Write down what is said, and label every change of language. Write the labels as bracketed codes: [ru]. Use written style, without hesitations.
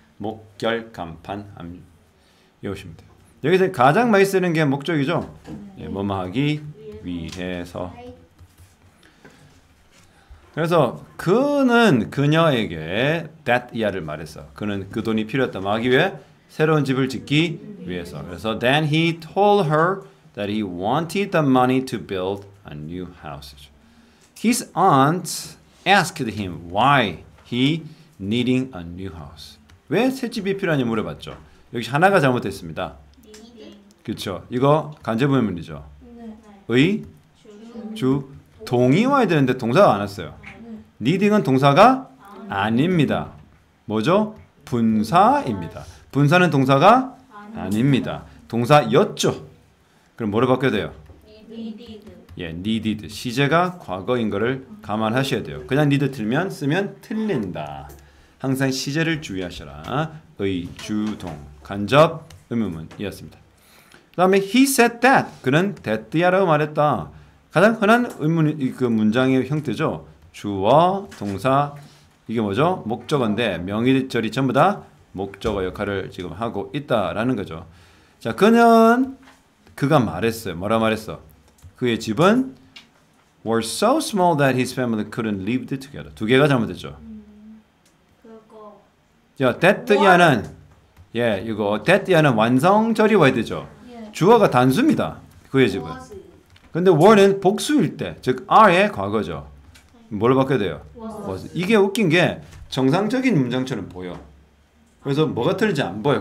[ko] 목결 간판 외우시면 돼요. 여기서 가장 많이 쓰는 게 목적이죠. 네, 뭐뭐하기 위해서. 그래서 그는 그녀에게 that 이하를 말했어. 그는 그 돈이 필요했다. 막기 위해 새로운 집을 짓기 위해서. 그래서 [en] then he told her that he wanted the money to build a new house. His aunt asked him why he needing a new house. [ko] 왜 새 집이 필요하냐 물어봤죠. 여기 하나가 잘못됐습니다. [en] Need. [ko] 그렇죠. 이거 간접 의문이죠. 네. 의, 주, 동이 와야 되는데 동사가 안 왔어요. 네. Needing은 동사가 아닙니다. 뭐죠? 분사입니다. 분사는 동사가 아닙니다. 동사였죠. 그럼 뭐로 바뀌어야 돼요? [en] Needed. [ko] 예, [en] needed. [ko] 시제가 과거인 것을 감안하셔야 돼요. 그냥 need 틀면 쓰면 틀린다. 항상 시제를 주의하셔라. 의, 주, 동, 간접, 의문문이었습니다. 그 다음에 [en] he said that. [ko] 그는 that야라고 말했다. 가장 흔한 의문 그 문장의 형태죠. 주어, 동사, 이게 뭐죠? 목적어인데 명의절이 전부 다 목적어 역할을 지금 하고 있다라는 거죠. 자, 그는 그가 말했어요. 뭐라 말했어? 그의 집은 [en] were so small that his family couldn't live together. [ko] 두 개가 잘못됐죠. 그거. 야, that 이하는 예, 이거 that 얘는 완성절이 와야 되죠. 주어가 단수입니다. 그의 집은. 근데 were는 복수일 때, 즉 are의 과거죠. 뭘 받게 돼요? [en] was. [ko] 이게 웃긴 게 정상적인 문장처럼 보여. 그래서 뭐가 틀리지 안 보여.